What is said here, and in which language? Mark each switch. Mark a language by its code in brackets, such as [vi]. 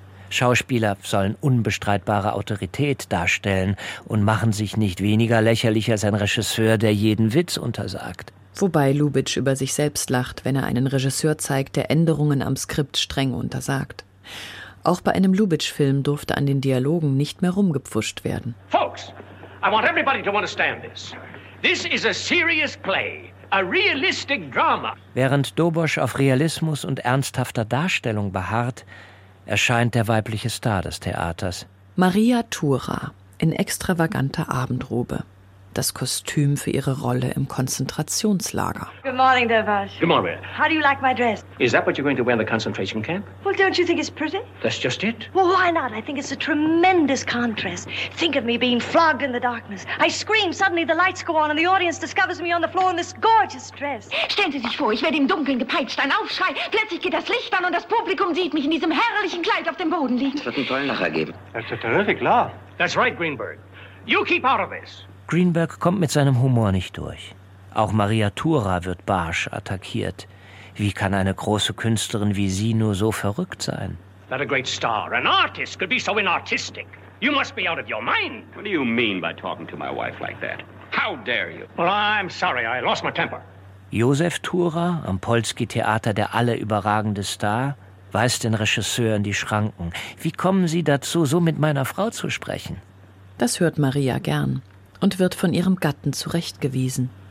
[de] Schauspieler sollen unbestreitbare Autorität darstellen und machen sich nicht weniger lächerlich als ein Regisseur, der jeden Witz untersagt. Wobei Lubitsch über sich selbst lacht, wenn er einen Regisseur zeigt, der Änderungen am Skript streng untersagt. Auch bei einem Lubitsch-Film durfte an den Dialogen nicht mehr rumgepfuscht werden. [en] Folks, I want everybody to understand this. This is a serious play, a realistic drama. [de] Während Dobosch auf Realismus und ernsthafter Darstellung beharrt, erscheint der weibliche Star des Theaters. Maria Thura in extravaganter Abendrobe. Das Kostüm für ihre Rolle im Konzentrationslager. [en] Good morning, Dobosch. Good morning. How do you like my dress? Is that what you're going to wear in the concentration camp? Well, don't you think it's pretty? That's just it. Well, why not? I think it's a tremendous contrast. Think of me being flogged in the darkness. I scream, suddenly the lights go on and the audience discovers me on the floor in this gorgeous dress. [de] Stellen Sie sich vor, ich werde im Dunkeln gepeitscht. Ein Aufschrei, plötzlich geht das Licht an und das Publikum sieht mich in diesem herrlichen Kleid auf dem Boden liegen. Das wird einen tollen Lacher geben. [en] That's a terrific laugh. That's right, Greenberg. You keep out of this. [de] Greenberg kommt mit seinem Humor nicht durch. Auch Maria Thura wird barsch attackiert. Wie kann eine große Künstlerin wie sie nur so verrückt sein? [en] That a great star, an artist, could be so inartistic. You must be out of your mind. What do you mean by talking to my wife like that? How dare you? Well, I'm sorry, I lost my temper. [de] Josef Thura, am Polski-Theater der alle überragende Star, weist den Regisseur in die Schranken. Wie kommen Sie dazu, so mit meiner Frau zu sprechen? Das hört Maria gern. Und wird von ihrem Gatten zurechtgewiesen.